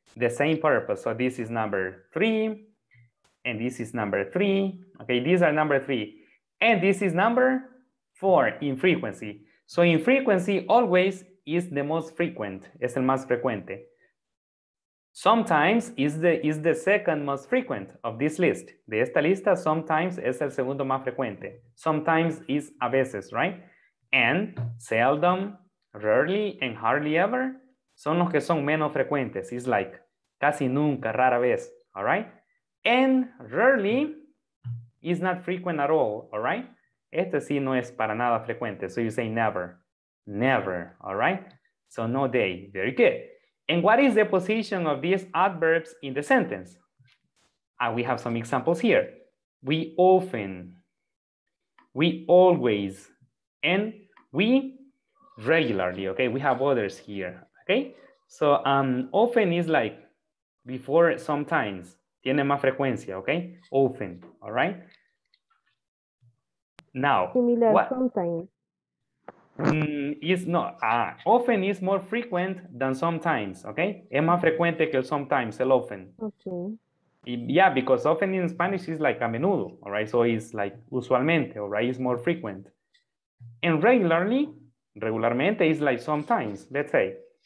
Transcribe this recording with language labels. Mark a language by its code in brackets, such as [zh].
[en] The same purpose. So this is number three, and this is number three. Okay, these are number three. And this is number four in frequency. So in frequency, always is the most frequent, [es] es el más frecuente. [en] Sometimes is the second most frequent of this list. [es] De esta lista, sometimes es el segundo más frecuente. [en] Sometimes is [es] a veces, [en] right? And seldom, rarely, and hardly ever [es] son los que son menos frecuentes. [en] It's like [es] casi nunca, rara vez, [en] all right? And rarely is not frequent at all, all right? [es] Este sí no es para nada frecuente. [en] So you say never, never, all right? So no day, very good. And what is the position of these adverbs in the sentence? We have some examples here. We often, we always, and we regularly, okay? We have others here, okay? So often is like before sometimes. [es] Tiene más frecuencia, okay? Often, [en] all right? Now, similar, sometimes. It's not. Often is more frequent than sometimes, okay? [es] Es más frecuente que el sometimes, el often. [en] Okay. Yeah, because often in Spanish is like [es] a menudo, [en] all right? So it's like [es] usualmente, [en] all right? It's more frequent. And regularly, regularmente is like sometimes, let's say.